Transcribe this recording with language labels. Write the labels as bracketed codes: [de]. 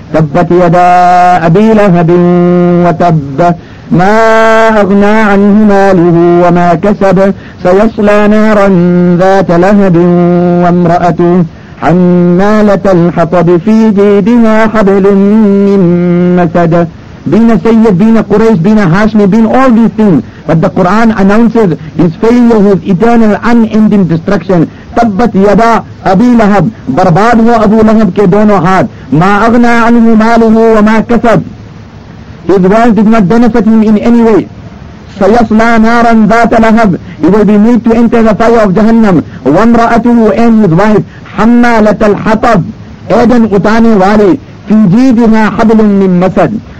[ar] تَبَّتْ يَدَا أَبِي لَهَبٍ وَتَبَّ مَا أَغْنَى عَنْهُ مَالُهُ وَمَا كَسَبَ سَيَصْلَى نَارًا ذَاتَ لَهَبٍ وَامْرَأَتُهُ حَمَّالَةَ الْحَطَبِ فِي جِيدِهَا حَبْلٌ مِّن مَّسَدٍ. [en] Being a Sayyid, being a Quraysh, being a Hashmi, being all these things. But the Quran announces his failure, his eternal unending destruction. [ar] تَبَّتْ يَدَا أَبِي لَهَبٍ. [ur] برباد هو أبو لهب کے دونوں ہاتھ. [ar] مَا أَغْنَى عَنْهُ مَالُهُ وَمَا كَسَبَ. [en] His wealth did not benefit him in any way. [ar] سَيَصْلَى نَارًا ذَاتَ لَهَبٍ. [en] He will be made to enter the fire of Jahannam. [ar] وَامْرَأَتُهُ [en] and his wife. [ar] حَمَّالَةَ الْحَطَبِ. [ur] Aidan utane wale. [ar] فِي جِيدِهَا حَبْلٌ مِّن مَسَدٍ.